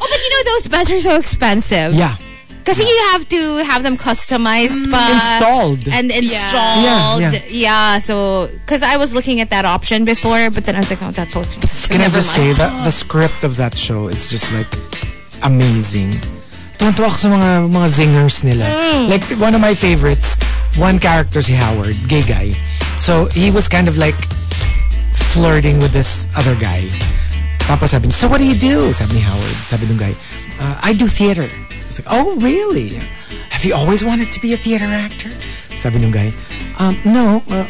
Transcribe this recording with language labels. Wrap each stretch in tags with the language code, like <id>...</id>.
<en>Oh, but you know, those beds are so expensive. Yeah. Kasi you have to have them customized but installed. And installed. Yeah. So, because I was looking at that option before, but then I was like, oh, that's so expensive. Can I just say that the script of that show is just like amazing.</en> <tl>Tuntuwa ako sa mga zingers nila.</tl> <en>Like, one of my favorites, one character si Howard, gay guy. So, he was kind of like flirting with this other guy.</en> <tl>Tapos sabi,</tl> <en>so what do you do?</en> <tl>Sabi ni</tl> <en>Howard.</en> <tl>Sabi ng</tl> <en>guy, I do theater. It's like, oh, really? Have you always wanted to be a theater actor?</en> <tl>Sabi nung</tl> <en>guy, no.</en>